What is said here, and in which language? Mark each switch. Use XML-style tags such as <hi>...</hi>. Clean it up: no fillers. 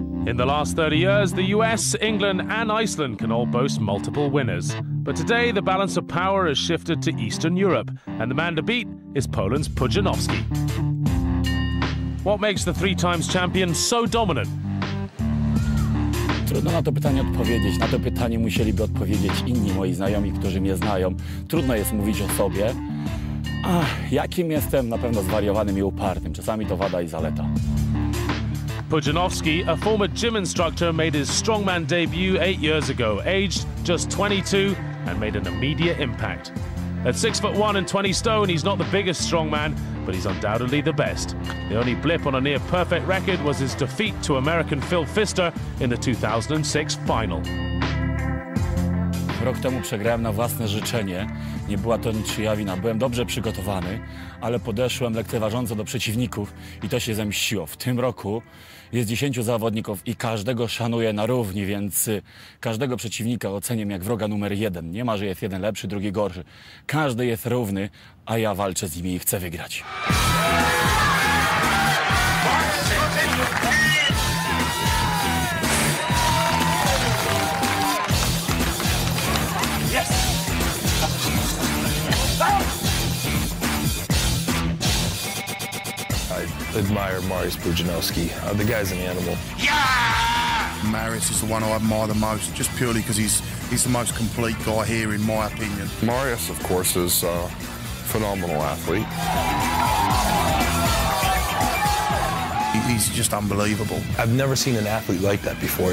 <en>In the last 30 years, the US, England and Iceland can all boast multiple winners. But today, the balance of power has shifted to Eastern Europe. And the man to beat is Poland's Pudzianowski. What makes the three times champion so dominant?</en> <pl>Trudno na to pytanie odpowiedzieć. Na to pytanie musieliby odpowiedzieć inni moi znajomi, którzy mnie znają. Trudno jest mówić o sobie. Ach, jakim jestem? Na pewno zwariowanym i upartym. Czasami to wada i zaleta.</pl> <en>Pudzianowski, a former gym instructor, made his strongman debut 8 years ago, aged just 22, and made an immediate impact. At 6'1" and 20 stone, he's not the biggest strongman, but he's undoubtedly the best. The only blip on a near-perfect record was his defeat to American Phil Pfister in the 2006 final.</en> <pl>Rok temu przegrałem na własne życzenie. Nie była to niczyja wina. Byłem dobrze przygotowany, ale podeszłem lekceważąco do przeciwników i to się zemściło. W tym roku jest 10 zawodników i każdego szanuję na równi, więc każdego przeciwnika oceniam jak wroga numer jeden. Nie ma, że jest jeden lepszy, drugi gorszy. Każdy jest równy, a ja walczę z nimi i chcę wygrać.</pl> <en>Admire Mariusz Pudzianowski. The guy's an animal. Yeah! Mariusz is the one I admire the most, just purely because he's the most complete guy here, in my opinion. Mariusz, of course, is a phenomenal athlete. He's just unbelievable. I've never seen an athlete like that before.</en>